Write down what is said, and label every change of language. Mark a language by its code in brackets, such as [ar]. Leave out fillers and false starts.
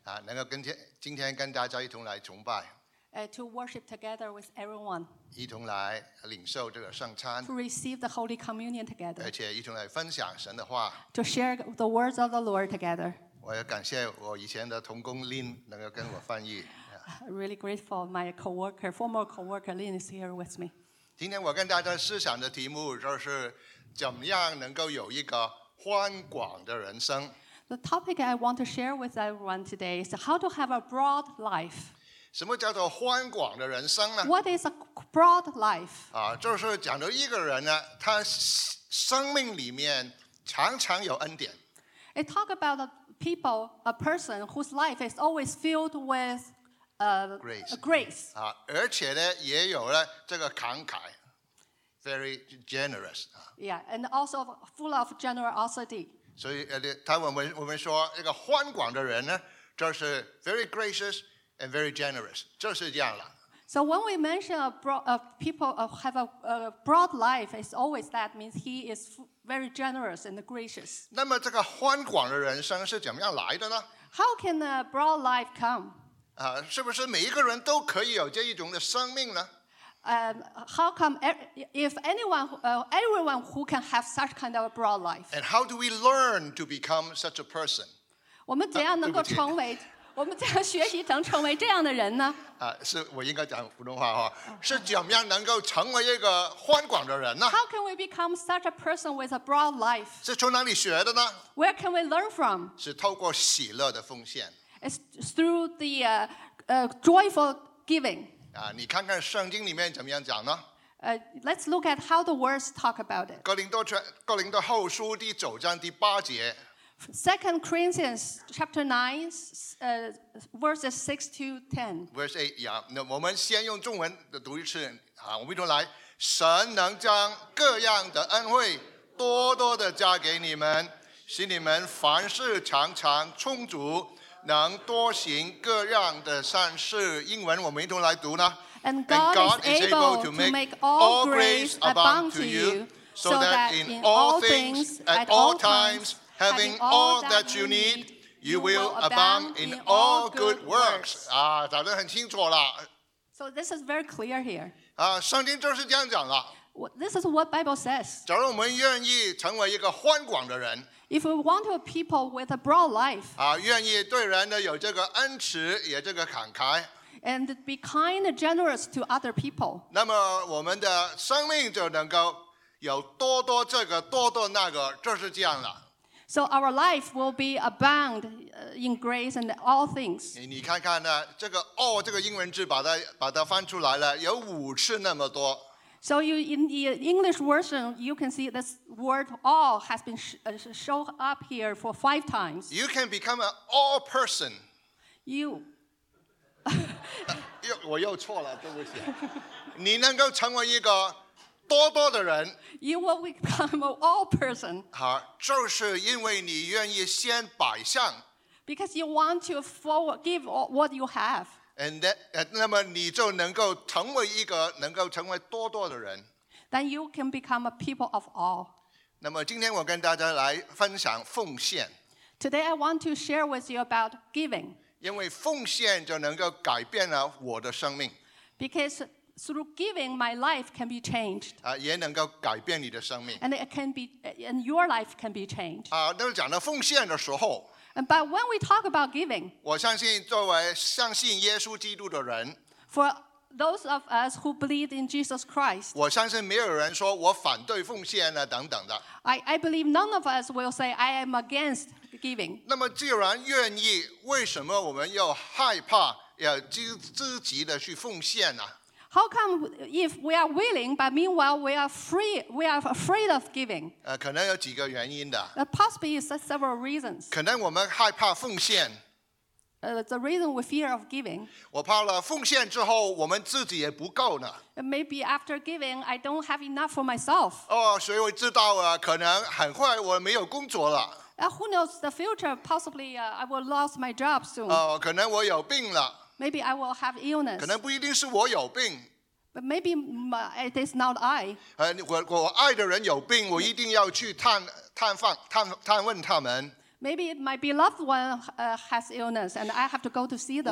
[zh] 能够今天跟大家一同来崇拜。 [en] To worship together with everyone. [zh] 一同来领受这个圣餐。 [en] To receive the Holy Communion together. [zh] 而且一同来分享神的话。 [en] To share the words of the Lord together. [zh] 我要感谢我以前的同工 Lin 能够跟我翻译。 [en] Really grateful my coworker, former coworker Lin is here with me. [zh] 今天我跟大家思想的题目就是怎么样能够有一个宽广的人生。 [en] The topic I want to share with everyone today is how to have a broad life. [zh] 什么叫做宽广的人生呢？ [en] What is a broad life? [zh] 就是讲到一个人呢，他生命里面常常有恩典。 [en] It talk about a person whose life is always filled with grace. [zh] 而且呢，也有了这个慷慨。 [en] Very generous. Yeah, and also full of generosity. [zh] 所以我们说一个宽广的人呢，就是 [en] very gracious and very generous， [zh] 就是这样了。 [en] So when we mention a broad life, it's always that means he is very generous and gracious. [zh] 那么这个宽广的人生是怎么样来的呢 [en] ？How can a broad life come？ [zh] 是不是每一个人都可以有这一种的生命呢？ [en] How come if everyone who can have such kind of a broad life? And how do we learn to become such a person? [zh] 我们怎样能够成为？我们怎样学习能成为这样的人呢？是我应该讲普通话哈？是怎么样能够成为一个宽广的人呢 [en] ？How can we become such a person with a broad life? [zh] 是从哪里学的呢 [en] ？Where can we learn from? [zh] 是透过喜乐的奉献。 [en] It's through the joyful giving. [zh] 你看看圣经里面怎么样讲呢？ [en] Let's look at how the words talk about it. [zh] 哥林多后书第九章第八节。 [en] Second Corinthians chapter 9, verses 6 to 10. Verse 8, yeah. [zh] 那我们先用中文读一次。我们一同来。神能将各样的恩惠多多的加给你们，使你们凡事常常充足，能多行各样的善事。英文我们一同来读呢。 [en] And God is able to make all grace abound to you, so that in all things, at all times, Having all that you need, you will abound in all good works. [zh] 讲得很清楚了。 [en] So this is very clear here. [zh] 圣经就是这样讲了。 [en] This is what Bible says. [zh] 假如我们愿意成为一个宽广的人。 [en] If we want to be people with a broad life. [zh] 愿意对人呢有这个恩慈，也这个慷慨。 [en] And be kind and generous to other people. [zh] 那么我们的生命就能够有多多这个，多多那个，就是这样了。 [en] So our life will be abound in grace and all things. [zh] 你看看呢，这个 all 这个英文字把它翻出来了，有五次那么多。 [en] So you in the English version, you can see this word all has been show up here for 5 times. You can become an all person. You. [zh] 我又错了，对不起。你能够成为一个。多多的人 [en] you will become an all person. [zh] 好，就是因为你愿意先摆上 [en] because you want to forward give what you have. And that, [zh] 那么你就能够成为一个能够成为多多的人 [en] Then you can become a people of all. [zh] 那么今天我跟大家来分享奉献 [en] Today I want to share with you about giving. [zh] 因为奉献就能够改变了我的生命 [en] Because through giving, my life can be changed. [zh] 也能够改变你的生命。 [en] And your life can be changed. [zh] 那讲到奉献的时候。 [en] But when we talk about giving, [zh] 我相信作为相信耶稣基督的人。 [en] For those of us who believe in Jesus Christ, [zh] 我相信没有人说我反对奉献啊等等的。 [en] I believe none of us will say I am against giving. [zh] 那么既然愿意，为什么我们又害怕要积极的去奉献呢？ [en] How come if we are willing, but meanwhile we are free, we are afraid of giving? [zh] 可能有几个原因的。 [en] Possibly is several reasons. [zh] 可能我们害怕奉献。 [en] The reason we fear of giving. [zh] 我怕了奉献之后，我们自己也不够呢。 [en] Maybe after giving, I don't have enough for myself. [zh] 所以我知道啊，可能很快我没有工作了。 [en] Who knows the future? Possibly, I will lose my job soon. [zh] 可能我有病了。 [en] Maybe I will have illness. [zh] 可能不一定是我有病。 [en] But maybe it is not I. [zh] 我爱的人有病，我一定要去探探问他们。 [en] Maybe my beloved one has illness and I have to go to see them.